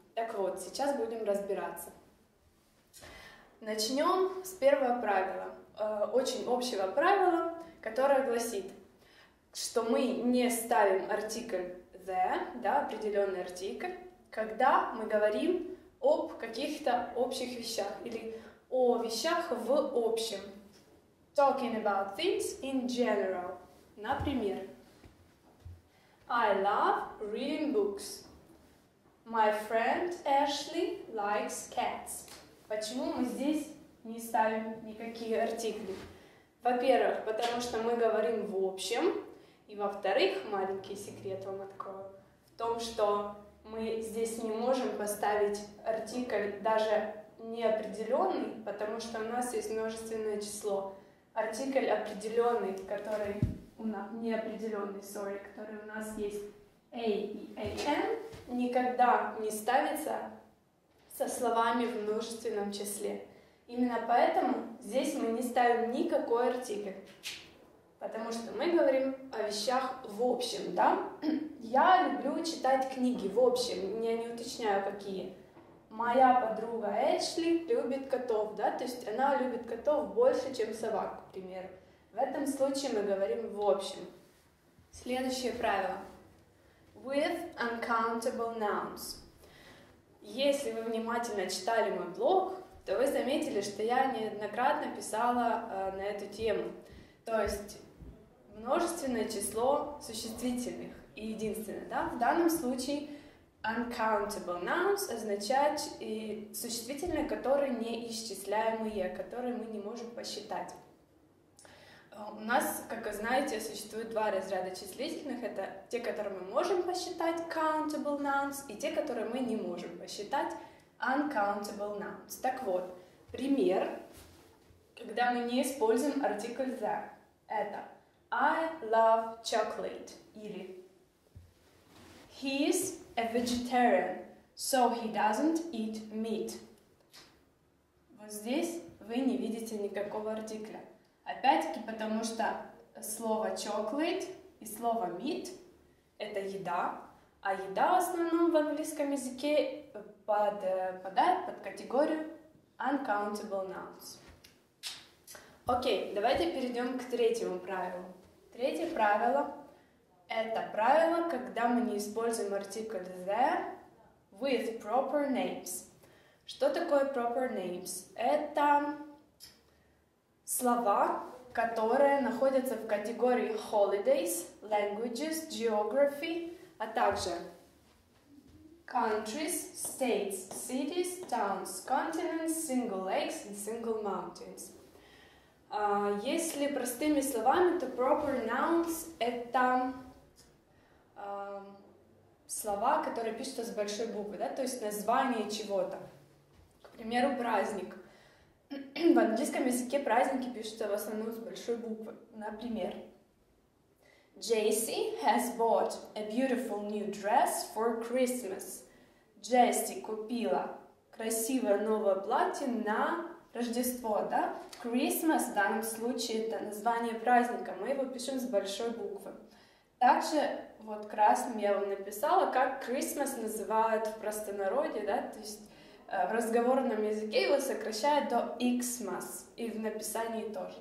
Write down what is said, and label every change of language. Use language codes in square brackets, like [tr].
[ru] Так вот, сейчас будем разбираться. Начнем с первого правила, очень общего правила, которое гласит, что мы не ставим артикль the, да, определенный артикль, когда мы говорим об каких-то общих вещах или о вещах в общем. [en] Talking about things in general. [ru] Например, [en] I love reading books. My friend Ashley likes cats. [ru] Почему мы здесь не ставим никакие артикли? Во-первых, потому что мы говорим в общем. И во-вторых, маленький секрет вам открою, в том, что мы здесь не можем поставить артикль даже неопределенный, потому что у нас есть множественное число. Артикль определенный, который у нас неопределенный, который у нас есть a и an, никогда не ставится со словами в множественном числе. Именно поэтому здесь мы не ставим никакой артикль, потому что мы говорим о вещах в общем, да? Я люблю читать книги в общем, я не уточняю, какие. Моя подруга Эшли любит котов, да? То есть она любит котов больше, чем собак, к примеру. В этом случае мы говорим в общем. Следующее правило. [en] With uncountable nouns. [ru] Если вы внимательно читали мой блог, то вы заметили, что я неоднократно писала на эту тему. То есть множественное число существительных и единственное. Да? В данном случае uncountable nouns означает и существительное, которое неисчисляемое, которое мы не можем посчитать. У нас, как вы знаете, существует два разряда числительных. Это те, которые мы можем посчитать, countable nouns, и те, которые мы не можем посчитать, uncountable nouns. Так вот, пример, когда мы не используем артикль the, это [en] I love chocolate, [ru] или [en] he is a vegetarian, so he doesn't eat meat. [ru] Вот здесь вы не видите никакого артикля. Опять-таки, потому что слово chocolate и слово meat — это еда, а еда в основном в английском языке подпадает под категорию uncountable nouns. Окей, давайте перейдем к третьему правилу. Третье правило — это правило, когда мы не используем артикль the [en] with proper names. [ru] Что такое proper names? Это слова, которые находятся в категории [en] holidays, languages, geography, [ru] а также [en] countries, states, cities, towns, continents, single lakes and single mountains. [ru] Если простыми словами, то proper nouns — это слова, которые пишутся с большой буквы, да, то есть название чего-то. К примеру, праздник. В английском языке праздники пишутся в основном с большой буквы. Например, [en] Jessie has bought a beautiful new dress for Christmas. [ru] Jessie купила красивое новое платье на Рождество, да? Christmas в данном случае — это название праздника, мы его пишем с большой буквы. Также вот красным я вам написала, как Christmas называют в простонародье, да, то есть в разговорном языке его сокращают до Xmas, и в написании тоже.